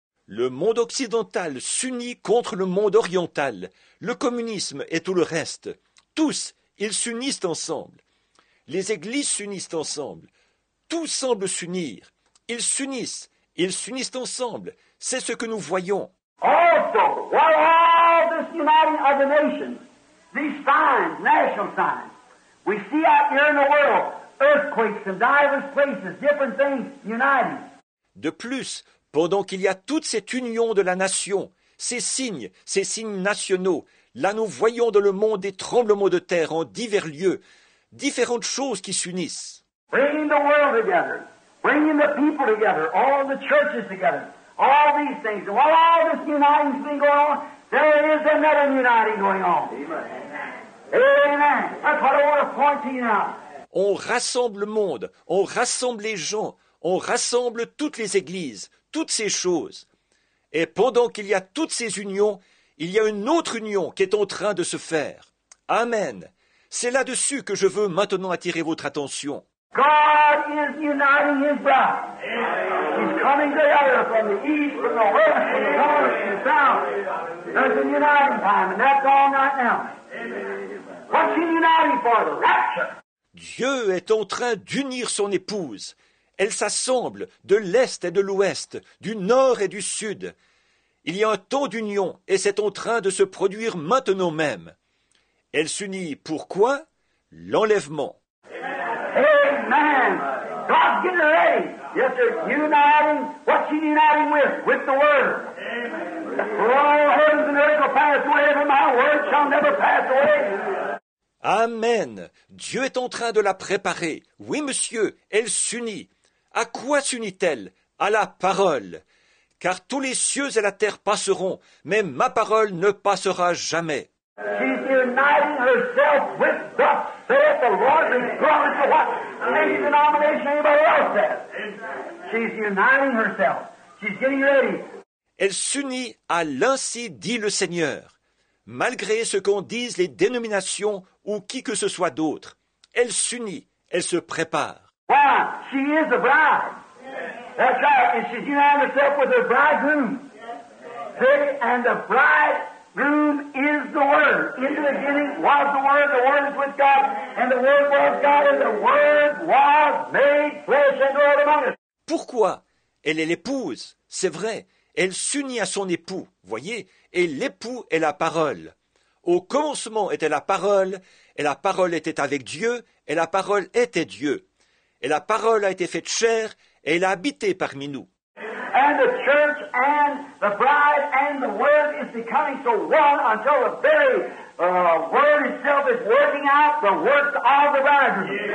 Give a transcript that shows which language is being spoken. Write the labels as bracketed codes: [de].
[fr] Le monde occidental s'unit contre le monde oriental, le communisme et tout le reste. Tous, ils s'unissent ensemble. Les églises s'unissent ensemble. Tout semble s'unir. Ils s'unissent ensemble. C'est ce que nous voyons. [en] Also, while all this uniting of the nations, these signs, national signs, we see out here in the world, earthquakes in diverse places, different things uniting. [fr] De plus, pendant qu'il y a toute cette union de la nation, ces signes nationaux, là nous voyons dans le monde des tremblements de terre en divers lieux, différentes choses qui s'unissent. [en] Bringing the world together, bringing the people together, all the churches together, all these things. And while all this uniting's been going on, there is another uniting going on. Amen. That's what I want to point to you now. [fr] On rassemble le monde, on rassemble les gens, on rassemble toutes les églises, toutes ces choses. Et pendant qu'il y a toutes ces unions, il y a une autre union qui est en train de se faire. Amen. C'est là-dessus que je veux maintenant attirer votre attention. [en] God is uniting his bride. He's coming together from the east, from the west, from the north, from the south. There's a uniting time, and that's all right now. What's he uniting for? The rapture. [fr] Dieu est en train d'unir son épouse. Elle s'assemble de l'est et de l'ouest, du nord et du sud. Il y a un temps d'union et c'est en train de se produire maintenant même. Elle s'unit pourquoi? L'enlèvement. [en] Amen. God's getting ready. Yes, sir. Uniting. What's he uniting with? With the word. Amen. All heavens and earth will pass away, but my word shall never pass away. Amen. [fr] Dieu est en train de la préparer. Oui, monsieur, elle s'unit. À quoi s'unit-elle? À la parole. Car tous les cieux et la terre passeront, mais ma parole ne passera jamais. [en] She's uniting herself with the saith the Lord, regardless of what any denomination anybody else says. She's uniting herself. She's getting ready. [fr] Elle s'unit à l'ainsi dit le Seigneur. Malgré ce qu'en disent les dénominations ou qui que ce soit d'autre, elle s'unit, elle se prépare. [en] Why? She is a bride. Yes. That's right. And she's united herself with her bridegroom. Yes. See? And the bridegroom is the Word. In the beginning was the Word is with God, and the Word was God, and the Word was made flesh and dwelt among us. [fr] Pourquoi? Elle est l'épouse. C'est vrai. Elle s'unit à son époux, voyez? Et l'époux est la parole. Au commencement était la parole, et la parole était avec Dieu, et la parole était Dieu. Et la parole a été faite chair, et elle a habité parmi nous. [en] And the church and the bride and the word is becoming so one until the very word itself is working out the works of the bridegroom.